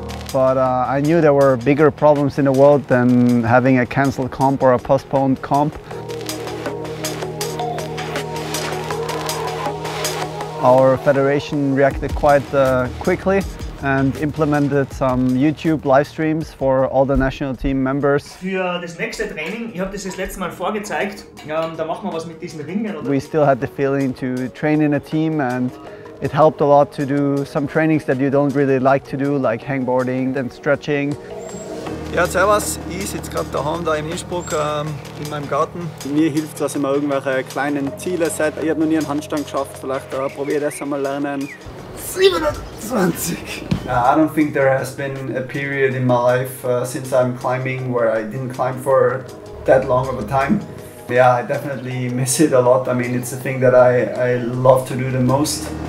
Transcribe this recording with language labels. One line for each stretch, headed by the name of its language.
English: But I knew there were bigger problems in the world than having a cancelled comp or a postponed comp. Our federation reacted quite quickly and implemented some YouTube live streams for all the national team members.
German: Für das nächste Training, ich habe das letzte Mal vorgezeigt, da machen wir was mit diesen Ringen. Oder?
English: We still had the feeling to train in a team and it helped a lot to do some trainings that you don't really like to do, like hangboarding and stretching.
German: Ja, servus, ich sitze gerade daheim da in Innsbruck in meinem Garten. Mir hilft es, dass ich mir irgendwelche kleinen Ziele setze. Ich habe noch nie einen Handstand geschafft, vielleicht probiere ich das einmal lernen. 27!
English: I don't think there has been a period in my life since I'm climbing where I didn't climb for that long of a time. Yeah, I definitely miss it a lot. I mean, it's the thing that I love to do the most.